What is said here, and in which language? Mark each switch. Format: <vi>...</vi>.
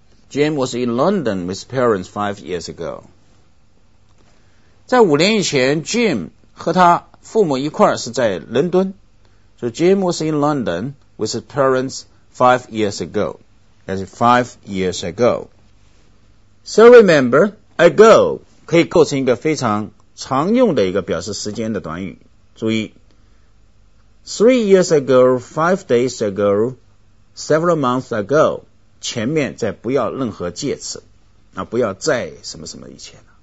<en>Jim was in London with parents 5 years ago.</en> <zh>在5年以前 ,Jim 和他父母一块是在伦敦。</zh> <en>So Jim was in London with his parents 5 years ago. That's 5 years ago. So remember, ago.</en> <zh>可以构成一个非常常用的一个表示时间的短语。注意</zh> <en>3 years ago, 5 days ago, several months ago,</en> <zh>前面再不要任何介词，那不要在什么什么以前。</zh>